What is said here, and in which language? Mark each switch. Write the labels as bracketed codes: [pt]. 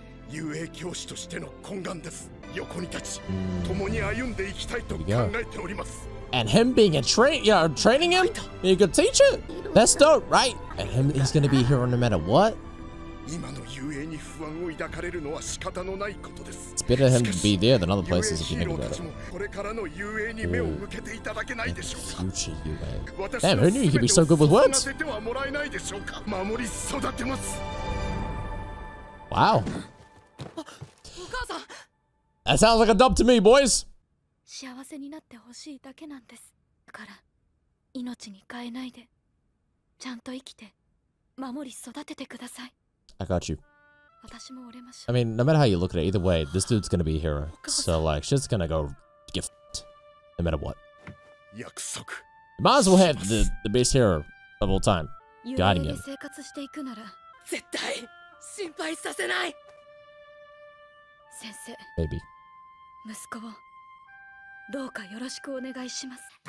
[ja] 遊泳教師としての懇願です。横に立ち、共に歩んでいきたいと考えております。 [en] And him being a train, you know, training him, being a good teacher, that's dope, right? And him, he's gonna be a hero no matter what. [ja] 今の遊泳に不安を抱かれるのは仕方のないことです。 [en] It's better him to be there than other places if you think about it. [ja] これからの遊泳に目を向けていただけないでしょうか。 Future遊泳。 [en] Damn, who knew he could be so good with words? [ja] 育ててはもらえないでしょうか。守り育てます。 [en] Wow. That sounds like a dub to me, boys! [ja] 幸せになってほしいだけなんです。だから、命に変えないで、ちゃんと生きて、守り育ててください。 [en] I got you. [ja] 私も折れまし [en] ょう。 I mean, no matter how you look at it, either way, this dude's gonna be a hero. So, like, she's gonna go get f***ed. No matter what. [ja] 約束。 [en] Might as well have the best hero of all time. Guiding him. [ja] 生活していくなら、絶対、心配させない先生、 [en] Baby. [ja] 息子をどうかよろしくお願いします。